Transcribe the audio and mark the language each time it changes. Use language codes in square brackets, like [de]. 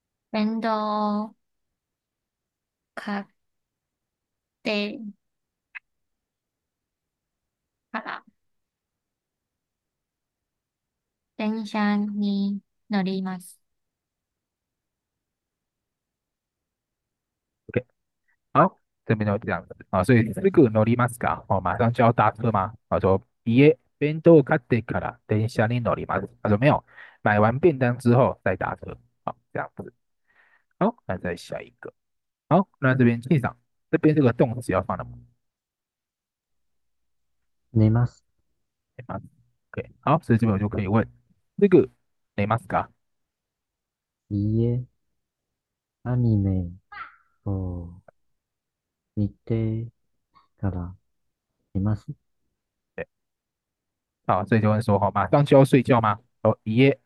[ja] 電動買ってから電車に乗ります。 [zh] 这边就这样子啊，所以 [ja] すぐ乗りますか？ [zh] 哦，马上就要搭车吗？他说 [ja] いえ、弁当買ってから電車に乗ります。 [zh] 他说没有，买完便当之后再搭车。好，这样子。好，那再下一个。好，那这边记上，这边这个动词要放了吗？ [ja] 寝ます。 [zh] OK，好，所以这边我就可以问，那个 [ja] 寝ますか？いいえ、アニメを見てから寝ます。 [zh] 好，所以就问说，好，马上就要睡觉吗？哦，一夜